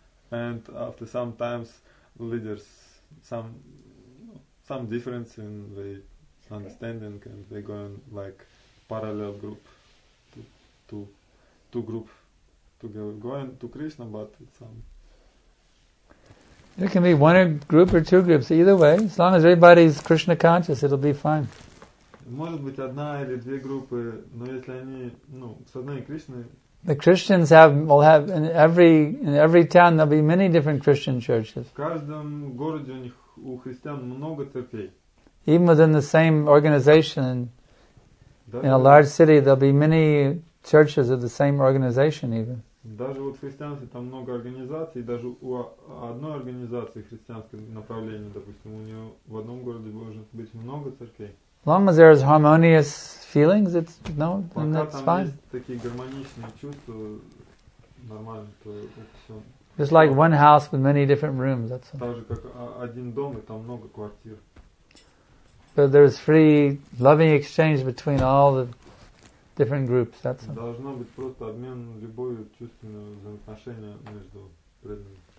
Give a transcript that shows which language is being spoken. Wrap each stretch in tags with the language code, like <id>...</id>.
<en>And after some times, leaders, some difference in the understanding, and they go in like parallel group, two group together, going to Krishna, but it's some. There can be one group or two groups, either way. As long as everybody's Krishna conscious, it'll be fine.</en> <ru>Может быть одна или две группы, но если они, ну, с одной Кришной.</ru> <en>The Christians will have in every town there'll be many different Christian churches.</en> <ru>В каждом городе у христиан много церквей.</ru> <en>Even within the same organization, in a large city, there'll be many churches of the same organization even.</en> <ru>Даже вот в христианстве там много организаций, даже у одной организации христианского направления, допустим, у нее в одном городе может быть много церквей.</ru> <en>As long as there is harmonious feelings, it's no, and that's fine.</en> <ru>Пока там есть такие гармоничные чувства, нормально, то это все.</ru> <en>It's like one house with many different rooms. That's all.</en> <ru>Так же как один дом и там много квартир.</ru> <en>But there's free loving exchange between all the different groups. That's all.</en> <ru>Должно быть просто обмен любовью чувственного взаимоотношения между преданными.</ru>